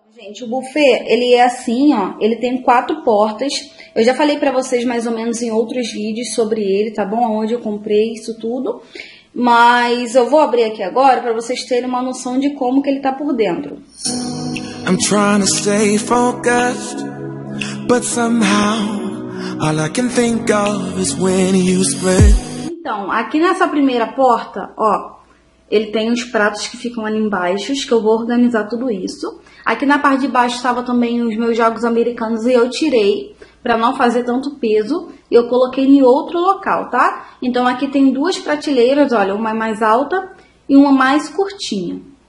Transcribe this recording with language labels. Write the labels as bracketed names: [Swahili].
[Portuguese] Gente, o buffet, ele é assim, ó, ele tem quatro portas. Eu já falei pra vocês mais ou menos em outros vídeos sobre ele, tá bom? Onde eu comprei isso tudo. Mas eu vou abrir aqui agora pra vocês terem uma noção de como que ele tá por dentro. [English] I'm trying to stay focused, but somehow all I can think of is when you split. [Portuguese] Então, aqui nessa primeira porta, ó, ele tem uns pratos que ficam ali embaixo, que eu vou organizar tudo isso. Aqui na parte de baixo estava também os meus jogos americanos e eu tirei para não fazer tanto peso. E eu coloquei em outro local, tá? Então aqui tem duas prateleiras, olha, uma mais alta e uma mais curtinha.